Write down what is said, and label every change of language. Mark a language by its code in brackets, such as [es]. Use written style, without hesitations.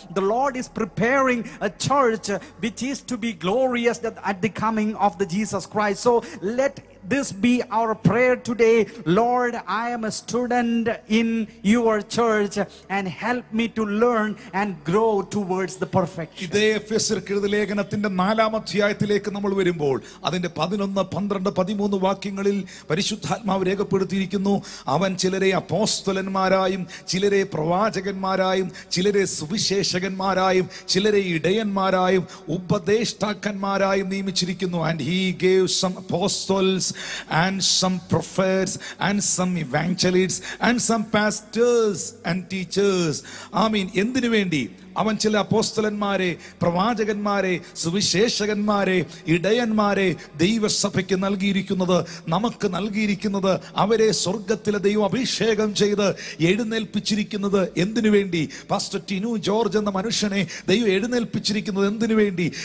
[en] The Lord is preparing a church which is to be glorious at the coming of the Jesus Christ. So let this be our prayer today. Lord, I am a student in your church, and help me to learn and grow towards the perfection. [ml] ഇതേ എഫേസ്യർക്കെഴുതിയ ലേഖനത്തിന്റെ 4-ാം അധ്യായത്തിലേക്ക് നമ്മൾ വരുമ്പോൾ അതിന്റെ 11, 12, 13 വാക്യങ്ങളിൽ പരിശുദ്ധാത്മാവ് രേഖപ്പെടുത്തിയിരിക്കുന്നു, അവൻ ചിലരെ അപ്പോസ്തലന്മാരായും ചിലരെ പ്രവാചകന്മാരായും ചിലരെ സുവിശേഷകന്മാരായും ചിലരെ ഇടയന്മാരായും ഉപദേഷ്ടാക്കന്മാരായും നിയമിച്ചിരിക്കുന്നു. [en] And he gave some apostles, and some prophets and some evangelists and some pastors and teachers. Amen. [ml] Endinu vendi അവൻ ചില അപ്പോസ്തലന്മാരെ, പ്രവാചകന്മാരെ, സുവിശേഷകന്മാരെ, ഇടയന്മാരെ ദൈവസഭയ്ക്ക് നൽകിയിരിക്കുന്നത്, നമുക്ക് നൽകിയിരിക്കുന്നത്, അവരെ സ്വർഗത്തിലെ ദൈവം അഭിഷേകം ചെയ്ത് എഴുന്നേൽപ്പിച്ചിരിക്കുന്നത് എന്തിനു വേണ്ടി? പാസ്റ്റർ ടിനു ജോർജ് എന്ന മനുഷ്യനെ ദൈവം എഴുന്നേൽപ്പിച്ചിരിക്കുന്നത് എന്തിനു വേണ്ടി?